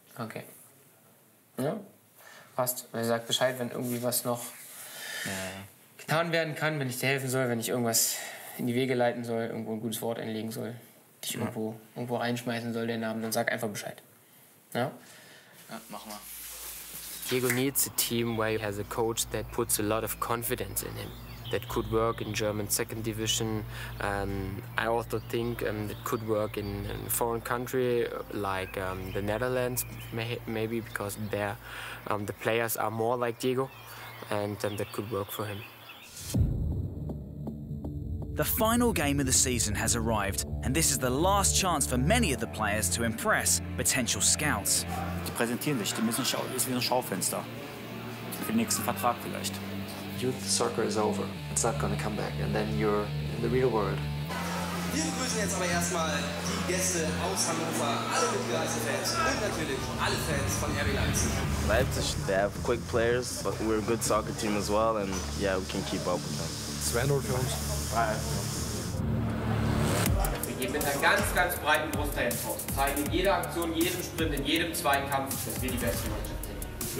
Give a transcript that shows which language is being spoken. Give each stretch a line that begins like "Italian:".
German: Okay. Ja? Passt. Wer sagt Bescheid, wenn irgendwie was noch getan werden kann, wenn ich dir helfen soll, wenn ich irgendwas in die Wege leiten soll, irgendwo ein gutes Wort einlegen soll, dich irgendwo reinschmeißen soll, den Namen, dann sag einfach Bescheid. Ja? Ja, mach mal.
English: Diego needs a team where he has a coach that puts a lot of confidence in him. that could work in German second division. I also think that could work in foreign country like the Netherlands maybe, because there the players are more like Diego, and that could work for him. The final game of the season has arrived, and this is the last chance for many of the players to impress potential scouts.
German: Die präsentieren sich, die müssen schauen, ist wie ein Schaufenster für den nächsten Vertrag vielleicht.
English: Youth soccer is over. It's not gonna come back, and then you're in the real world.
German: Wir begrüßen jetzt aber erstmal die Gäste aus Hannover, alle mitgereisten Fans und natürlich alle Fans von RB Leipzig.
English: Leipzig, they have quick players, but we're a good soccer team as well, and yeah, we can keep up with them.
German: Sven oder Jones? Wir gehen mit einer ganz, ganz breiten Brust da jetzt raus. Zeigen in jeder Aktion, jedem Sprint, in jedem Zweikampf, dass wir die beste Mannschaft sind.